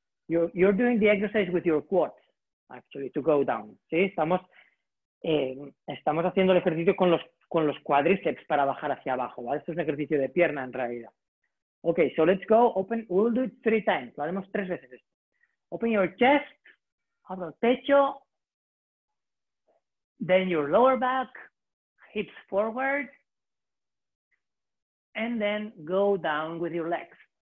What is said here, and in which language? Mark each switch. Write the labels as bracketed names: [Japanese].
[English] You're doing the exercise with your quads, actually, to go down. [Spanish] ¿Sí? Estamos haciendo el ejercicio con los cuádriceps para bajar hacia abajo, ¿vale? Esto es un ejercicio de pierna en realidad. [English] Okay, so let's go. Open. We'll do it three times. [Spanish] Lo haremos tres veces esto. [English] Open your chest, [Spanish] abro el pecho, [English] then your lower back, hips forward, and then go down with your legs.